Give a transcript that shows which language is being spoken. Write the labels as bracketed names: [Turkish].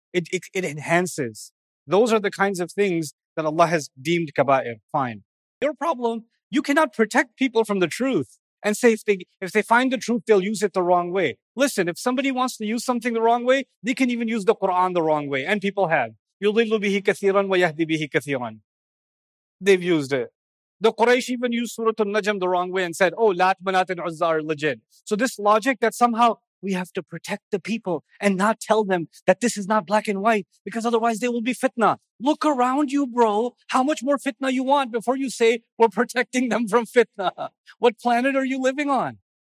[English] It enhances. Those are the kinds of things that Allah has deemed kaba'ir. Fine. Your problem, you cannot protect people from the truth and say if they find the truth, they'll use it the wrong way. Listen, if somebody wants to use something the wrong way, they can even use the Quran the wrong way. And people have. [Arabic] يُضِلُّ بِهِ كَثِيرًا وَيَهْدِ بِهِ كَثِيرًا. [English] They've used it. The Quraysh even used Surah Al-Najm the wrong way and said, oh, Lat, Manat, and Uzza are legit. So this logic that somehow we have to protect the people and not tell them that this is not black and white, because otherwise they will be fitna. Look around you, bro. How much more fitna you want before you say we're protecting them from fitna? What planet are you living on?